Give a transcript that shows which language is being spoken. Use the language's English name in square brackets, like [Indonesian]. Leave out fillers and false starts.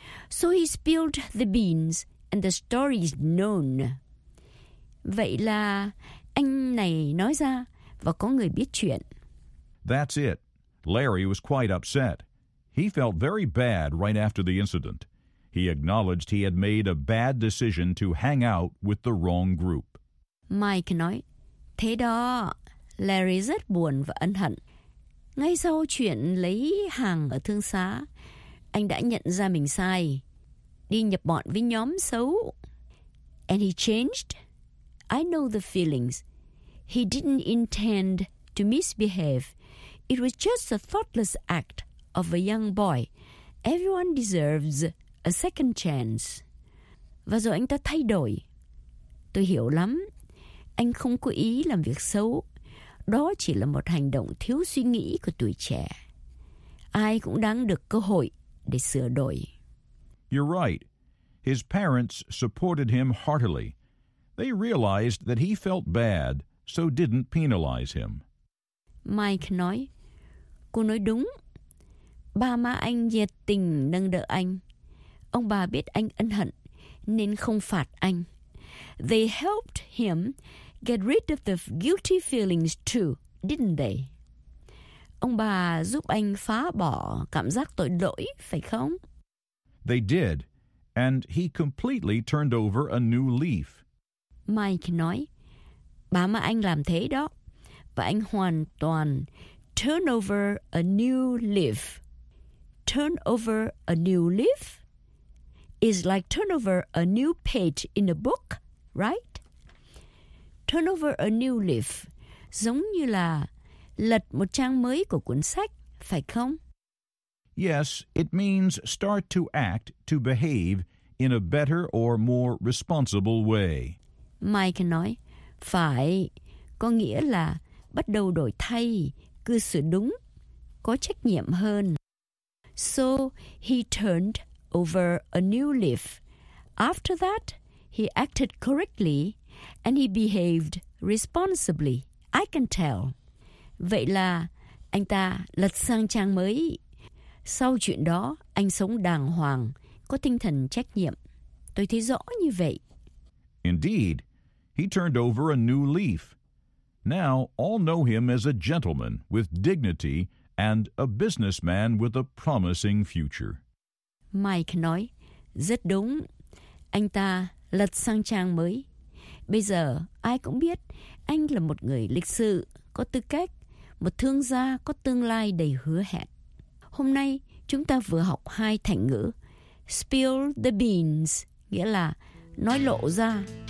[English] So he spilled the beans and the story is known. [Vietnamese] Vậy là anh này nói ra và có người biết chuyện. [English] That's it. Larry was quite upset. He felt very bad right after the incident. He acknowledged he had made a bad decision to hang out with the wrong group. [Vietnamese] Mike nói, thế đó, Larry rất buồn và ân hận. Ngay sau chuyện lấy hàng ở thương xá, anh đã nhận ra mình sai, đi nhập bọn với nhóm xấu. [English] And he changed. I know the feelings. He didn't intend to misbehave. It was just a thoughtless act of a young boy. Everyone deserves a second chance. [Vietnamese] Và rồi anh ta thay đổi. Tôi hiểu lắm. Anh không có ý làm việc xấu. Đó chỉ là một hành động thiếu suy nghĩ của tuổi trẻ. Ai cũng đáng được cơ hội để sửa đổi. [English] You're right. His parents supported him heartily. They realized that he felt bad, so didn't penalize him. [Vietnamese] Mike nói, cô nói đúng. Ba má anh nhiệt tình nâng đỡ anh. Ông bà biết anh ân hận, nên không phạt anh. [English] They helped him get rid of the guilty feelings too, didn't they? [Vietnamese] Ông bà giúp anh phá bỏ cảm giác tội lỗi, phải không? [English] They did, and he completely turned over a new leaf. [Vietnamese] Mike nói, bà má anh làm thế đó, và anh hoàn toàn [English] turn over a new leaf. Turn over a new leaf is like turn over a new page in a book, right? Turn over a new leaf, [Vietnamese] giống như là lật một trang mới của cuốn sách, phải không? [English] Yes, it means start to act, to behave in a better or more responsible way. [Vietnamese] Mike nói, phải, có nghĩa là bắt đầu đổi thay, cư xử đúng, có trách nhiệm hơn. [English] So he turned over a new leaf. After that, he acted correctly. And he behaved responsibly. I can tell. [Vietnamese] Vậy là anh ta lật sang trang mới. Sau chuyện đó, anh sống đàng hoàng, có tinh thần trách nhiệm. Tôi thấy rõ như vậy. [English] Indeed, he turned over a new leaf. Now all know him as a gentleman with dignity and a businessman with a promising future. [Vietnamese] Mike nói, rất đúng. Anh ta lật sang trang mới. Bây giờ, ai cũng biết, anh là một người lịch sự, có tư cách, một thương gia có tương lai đầy hứa hẹn. Hôm nay, chúng ta vừa học hai thành ngữ. [English] Spill the beans, [Vietnamese] nghĩa là nói lộ ra.